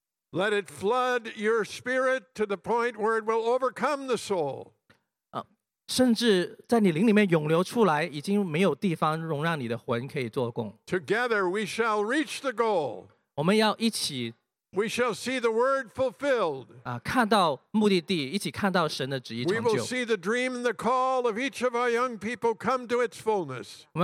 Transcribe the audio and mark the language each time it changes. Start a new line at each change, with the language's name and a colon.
English: Let it flood your spirit to the point where it will overcome the soul.
Chinese: 甚至在你灵里面涌流出来，已经没有地方容让你的魂可以做工。
English: Together we shall reach the goal.
Chinese: 我们要一起。
English: We shall see the word fulfilled.
Chinese: 看到目的地，一起看到神的旨意成就。
English: We will see the dream and the call of each of our young people come to its fullness.